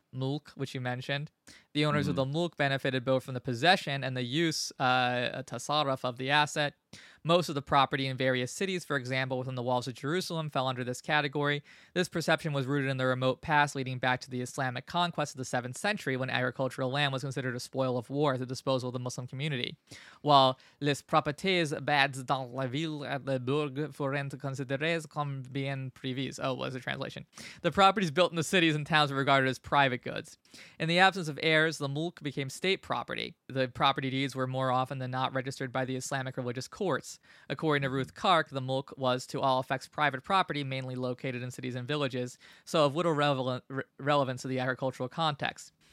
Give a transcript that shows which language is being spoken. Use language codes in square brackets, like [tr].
[en] Mulk, which you mentioned. The owners of the mulk benefited both from the possession and the use, tasarruf, of the asset. Most of the property in various cities, for example, within the walls of Jerusalem, fell under this category. This perception was rooted in the remote past leading back to the Islamic conquest of the 7th century, when agricultural land was considered a spoil of war at the disposal of the Muslim community. While [fr] les propriétés bades dans la ville et le bourg furent considérées comme bien privées. [en] Oh, was a translation. The properties built in the cities and towns were regarded as private goods. In the absence of heirs, the mulk became state property. The property deeds were more often than not registered by the Islamic religious courts. According to Ruth Kark, the mulk was, to all effects, private property, mainly located in cities and villages, so of little relevance to the agricultural context.